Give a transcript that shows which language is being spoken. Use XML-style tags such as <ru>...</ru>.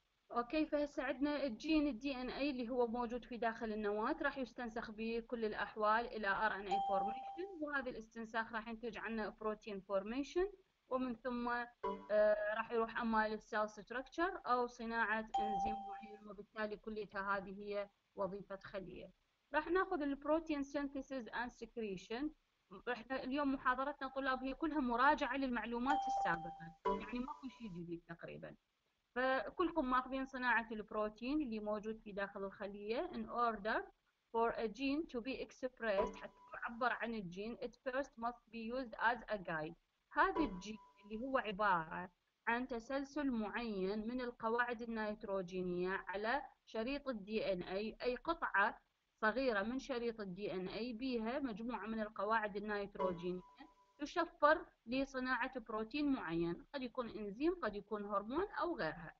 <ar>اوكي، فهسه عندنا الجين الدي ان اي اللي هو موجود في داخل النواه راح يستنسخ بكل الاحوال الى ار ان اي فورميشن، وهذا الاستنساخ راح ينتج عنا بروتين فورميشن، ومن ثم راح يروح اما للسيل ستراكشر او صناعه انزيم معين، وبالتالي كليتها هذه هي وظيفه خليه. راح ناخذ</ar> <en>البروتين synthesis and secretion.</en> <ar>احنا اليوم محاضرتنا طلاب هي كلها مراجعه للمعلومات السابقه، يعني ماكو شيء جديد تقريبا. فكلكم ماخذين صناعه البروتين اللي موجود في داخل الخليه</ar> <en>in order for a gene to be expressed،</en> <ar>حتى تعبر عن الجين</ar> <en>it first must be used as a guide.</en> <ar>هذا الجين اللي هو عباره عن تسلسل معين من القواعد النيتروجينيه على شريط الدي ان اي، اي قطعه صغيره من شريط الدي ان اي بيها مجموعه من القواعد النيتروجينيه تشفر لصناعه بروتين معين، قد يكون انزيم قد يكون هرمون او غيرها.</ar>